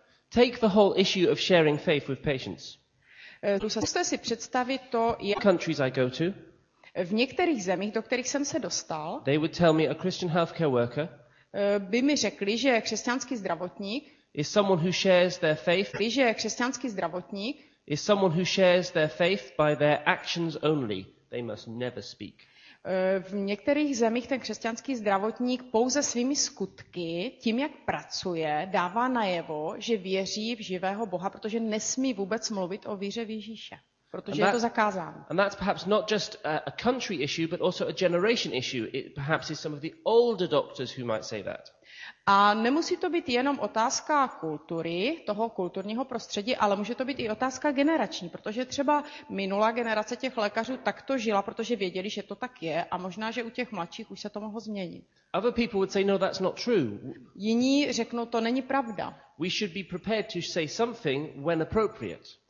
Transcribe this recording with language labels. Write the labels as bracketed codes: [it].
[en] Take the whole issue of sharing faith with patients. [cs] Zkuste si představit to, jak [en] countries I go to. [cs] V některých zemích, do kterých jsem se dostal. [en] They would tell me a Christian healthcare worker. [cs] By mi řekli, že křesťanský zdravotník [en] is someone who shares their faith. [cs] Že je křesťanský zdravotník [en] is someone who shares their faith by their actions only. They must never speak. [cs] V některých zemích ten křesťanský zdravotník pouze svými skutky, tím, jak pracuje, dává najevo, že věří v živého Boha, protože nesmí vůbec mluvit o víře v Ježíše. Protože je to zakázáno. [en] And that's perhaps not just a country issue, but also a generation issue. It perhaps is some of the older doctors who might say that. [cs] A nemusí to být jenom otázka kultury, toho kulturního prostředí, ale může to být i otázka generační, protože třeba minulá generace těch lékařů takto žila, protože věděli, že to tak je, a možná, že u těch mladších už se to mohlo změnit. [en] Other people would say, no, that's not true. [cs] Jiní řeknou, to není pravda. [en] We should be prepared to say something when appropriate.